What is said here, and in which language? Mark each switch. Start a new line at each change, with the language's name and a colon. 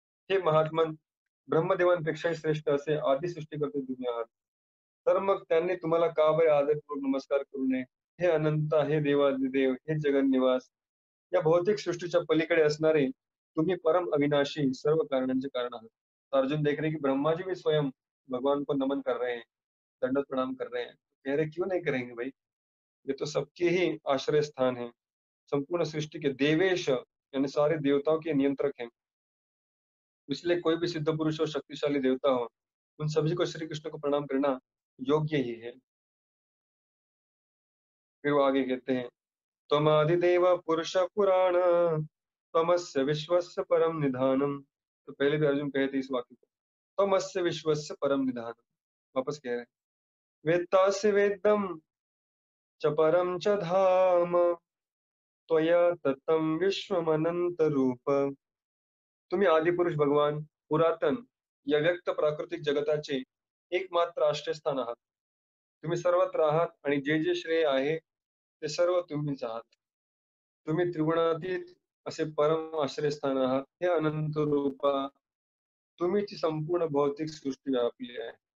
Marathi: हे महात्मन, ब्रह्मदेवांपेक्षा श्रेष्ठ असे आदि सृष्टी करते दुनिया आहात, तर मग त्यांनी तुम्हाला का बरे आदरपूर्वक नमस्कार करू नये? हे अनंत, हे देवादिदेव, हे जगन्निवास, या भौतिक सृष्टीच्या पलीकडे असणारे तुम्ही परम अविनाशी सर्व कारणांचे कारण आहात।
Hindi: अर्जुन देख रहे की ब्रह्माजी भी स्वयं भगवान को नमन कर रहे हैं, दंडवत प्रणाम कर रहे हैं, कह रहे क्यों नहीं करेंगे भाई, ये तो सबके ही आश्रय स्थान है, संपूर्ण सृष्टि के देवेश यानी सारे देवताओं के नियंत्रक हैं, इसलिए कोई भी सिद्ध पुरुष हो, शक्तिशाली देवता हो, उन सभी को श्री कृष्ण को प्रणाम करना योग्य ही है। फिर वो आगे कहते हैं,
Sanskrit: तम आदिदेव पुरुष पुराण तमस्य विश्वस्य परम निधानम।
Hindi: तो पहले भी अर्जुन कहे थे इस वाक्य को,
Sanskrit: तमस्य विश्वस्य परम निधान,
Hindi: वापस कह रहे हैं,
Sanskrit: वेत्तासि वेदम च परम च धाम त्वया ततम विश्वम अनंत रूप।
Marathi: तुम्हें आदि पुरुष भगवान पुरातन या व्यक्त प्राकृतिक जगताचे एकमात्र आश्रयस्थान आहात, तुम्ही सर्वत्र आहात आणि जे जे श्रेय आहे ते सर्व तुम्हीच आहात, तुम्ही त्रिगुणातीत असे परम आश्रयस्थान आहात, हे अनंत रूपा तुम्हीच संपूर्ण भौतिक सृष्टी व्यापली आहे।